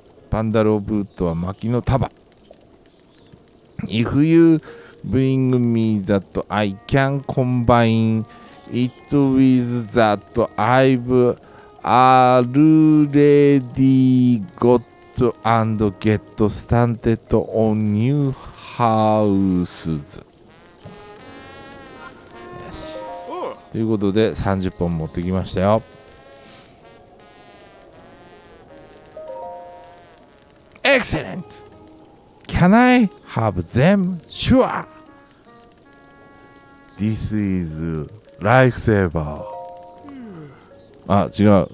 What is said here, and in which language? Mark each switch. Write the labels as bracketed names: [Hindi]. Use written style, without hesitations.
[Japanese] バンダルオブウッドは薪の束。 [English] If you bring me that, I can combine it with that I've already got and get started on new houses. [Japanese] よし。ということで30本持ってきましたよ。 [English] Excellent! Can I have them? Sure! This is [Japanese] ライフセーバー。あ、違う。